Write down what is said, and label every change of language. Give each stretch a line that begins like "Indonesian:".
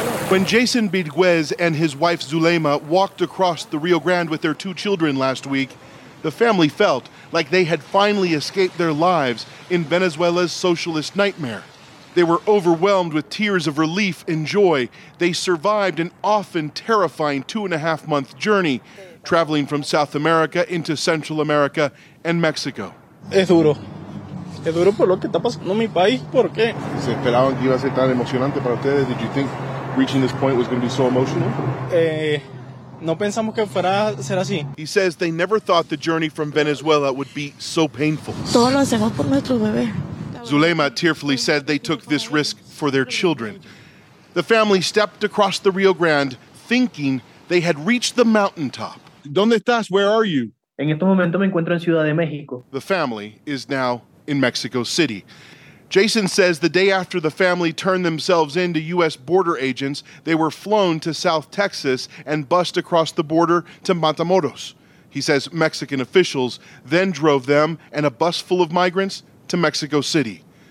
English: When Jason Bidguez and his wife Zulema walked across the Rio Grande with their two children last week, the family felt like they had finally escaped their lives in Venezuela's socialist nightmare. They were overwhelmed with tears of relief and joy. They survived an often terrifying 2.5 month journey, traveling from South America into Central America and Mexico.
Spanish: Es duro. Es duro por lo que está pasando en mi país. ¿Por qué? ¿Se esperaban que iba a ser tan emocionante para ustedes?
English: Did you think reaching this point was going to be so emotional?
Spanish: No pensamos que fuera ser así.
English: He says they never thought the journey from Venezuela would be so painful.
Spanish: Todo lo hacemos por nuestro bebé.
English: Zulema tearfully said they took this risk for their children. The family stepped across the Rio Grande, thinking they had reached the mountaintop.
Spanish: ¿Dónde estás?
English: Where are you?
Spanish: En este momento me encuentro en Ciudad de México.
English: The family is now in Mexico City. Jason says the day after the family turned themselves in to U.S. border agents, they were flown to South Texas and bused across the border to Matamoros. He says Mexican officials then drove them and a bus full of migrants to Mexico City.